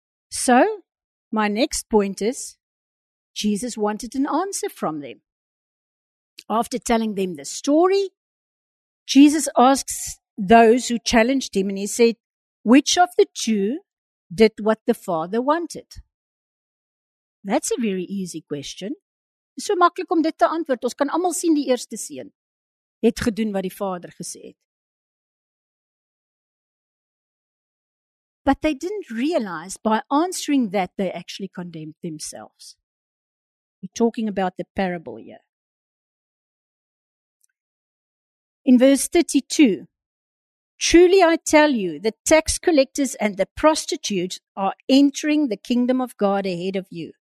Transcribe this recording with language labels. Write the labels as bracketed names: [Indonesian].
[English] So, my next point is, Jesus wanted an answer from them. After telling them the story, Jesus asks those who challenged Him and He said, which of the two did what the Father wanted? That's a very easy question. [Afrikaans] So maklik om dit te antwoord. Ons kan almal sien die eerste seun het gedoen wat die Vader gesê het. [English] But they didn't realize by answering that they actually condemned themselves. We're talking about the parable here. In verse 32, truly I tell you, the tax collectors and the prostitutes are entering the kingdom of God ahead of you.